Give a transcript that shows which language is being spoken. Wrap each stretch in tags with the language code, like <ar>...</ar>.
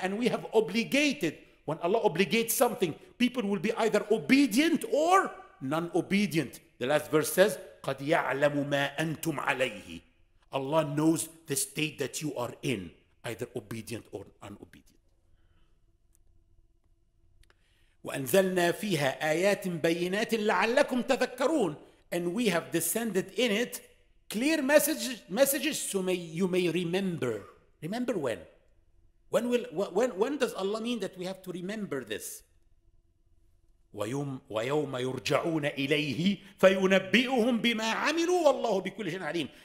<en>And we have obligated. When Allah obligates something, people will be either obedient or non-obedient. The last verse says,</en> <ar>قَدْ يَعْلَمُ مَا أَنْتُمْ عَلَيْهِ.</ar> <en>Allah knows the state that you are in. Either obedient or unobedient.</en> <ar>وأنزلنا فيها آيات بينات لعلكم تذكرون.</ar> <en>And we have descended in it clear messages so may, you may remember. Remember when? When does Allah mean that we have to remember this?</en> <ar>وَيَوْمَ يُرْجَعُونَ إِلَيْهِ فَيُنَبِّئُهُمْ بِمَا عَمِلُوا وَاللَّهُ بِكُلِّ شَيْءٍ عَلِيمٌ.</ar>